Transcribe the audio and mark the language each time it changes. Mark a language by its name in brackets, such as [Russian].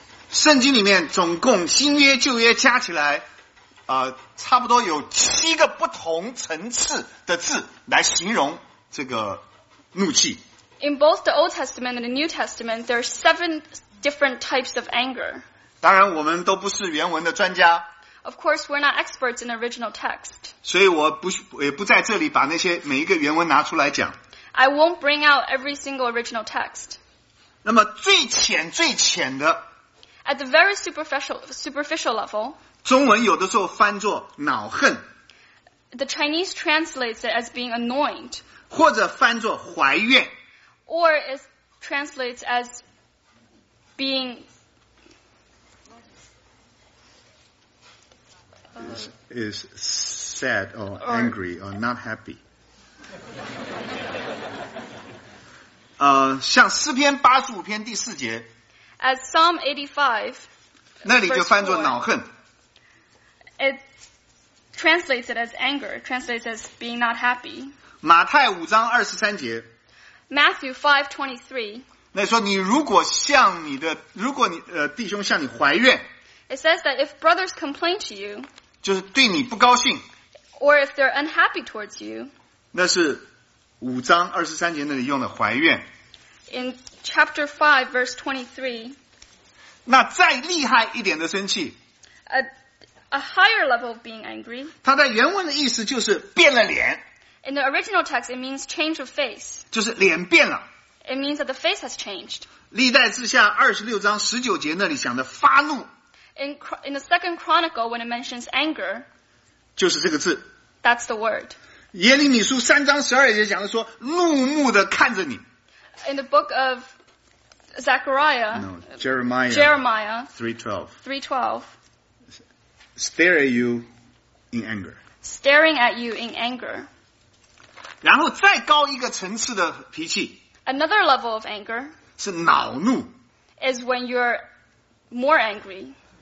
[Chinese] 圣经里面总共新约旧约加起来差不多有七个不同层次的字来形容这个怒气。 [English] In both the Old Testament and the New Testament, there are seven different types of anger. [Chinese] 当然我们都不是原文的专家。 [English] Of course, we're not experts in the original text. [Chinese] 所以我也不在这里把那些每一个原文拿出来讲。 [English] I won't bring out every single original text. [Chinese] 那么最浅最浅的 [English] At the very superficial level, [Chinese] 中文有的时候翻作恼恨 [English] The Chinese translates it as being annoyed. [Chinese] 或者翻作怀怨 [English] Or it translates as being... Is sad or angry or not happy. [Chinese] 像诗篇八十五篇第四节 [English] As Psalm 85, [Chinese] 那里就翻作恼恨。 [English] It translates it as anger, translates as being not happy. [Chinese] 马太五章二十三节。 [English] Matthew 5:23. [Chinese] 那说你如果向你的，如果你弟兄向你怀怨。 [English] It says that if brothers complain to you. [Chinese] 就是对你不高兴。 [English] Or if they're unhappy towards you. [Chinese] 那是五章二十三节那里用的怀怨。 [English] In chapter 5, verse 23. [Chinese] 那再厉害一点的生气。 [English] A higher level of being angry. [Chinese] 它在原文的意思就是变了脸。 [English] In the original text, it means change of face. [Chinese] 就是脸变了。 [English] It means that the face has changed. [Chinese] 历代志下二十六章十九节那里讲的发怒。 [English] In the second chronicle, when it mentions anger. [Chinese] 就是这个字。 [English] That's the word. [Chinese] 耶利米书三章十二节讲的说怒目的看着你。 [English] In the book of Zechariah. No, Jeremiah. Jeremiah. 3:12. Stare at you in anger. Staring at you in anger. [Chinese] 然后再高一个层次的脾气。 [English] Another level of anger. [Chinese] 是恼怒。 [English] Is when you're more angry.